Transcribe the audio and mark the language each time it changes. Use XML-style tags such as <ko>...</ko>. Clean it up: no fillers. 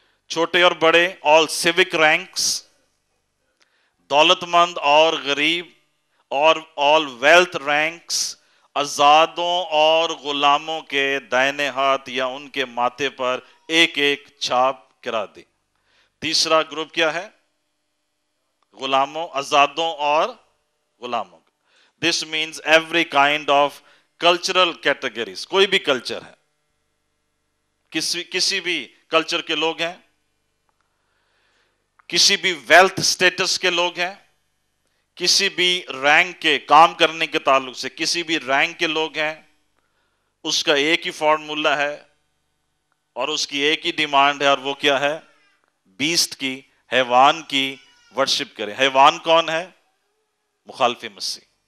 <ur>چھوٹے اور بڑے,</ur> <en>all civic ranks,</en> <ur>دولت مند اور غریب, اور</ur> <en>all wealth ranks,</en> <ur>آزادوں اور غلاموں کے دائنے ہاتھ یا ان کے ماتھے پر ایک ایک چھاپ کرا دی. تیسرا گروپ کیا ہے؟ غلاموں, آزادوں اور غلاموں.</ur> <en>This means every kind of cultural categories.</en> <ur>کوئی بھی کلچر ہے, کسی بھی کلچر کے لوگ ہیں, کسی بھی ویلتھ اسٹیٹس کے لوگ ہیں, کسی بھی رینک کے, کام کرنے کے تعلق سے کسی بھی رینک کے لوگ ہیں, اس کا ایک ہی فارمولہ ہے اور اس کی ایک ہی ڈیمانڈ ہے, اور وہ کیا ہے؟ بیسٹ کی, حیوان کی ورشپ کریں. حیوان کون ہے؟ مخالف مسیح.</ur>